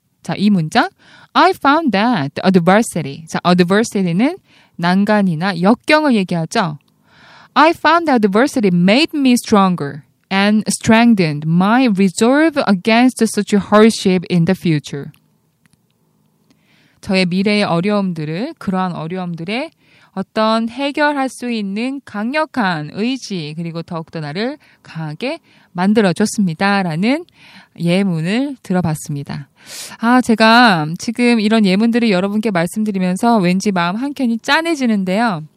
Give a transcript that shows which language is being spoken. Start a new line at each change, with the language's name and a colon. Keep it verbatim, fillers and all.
Korean: 자, 이 문장
English: I found that adversity.
Korean: 자, adversity는 난간이나 역경을 얘기하죠.
English: I found that adversity made me stronger and strengthened my resolve against such hardship in the future.
Korean: 저의 미래의 어려움들을, 그러한 어려움들에 어떤 해결할 수 있는 강력한 의지, 그리고 더욱더 나를 강하게 만들어줬습니다. 라는 예문을 들어봤습니다. 아, 제가 지금 이런 예문들을 여러분께 말씀드리면서 왠지 마음 한켠이 짠해지는데요.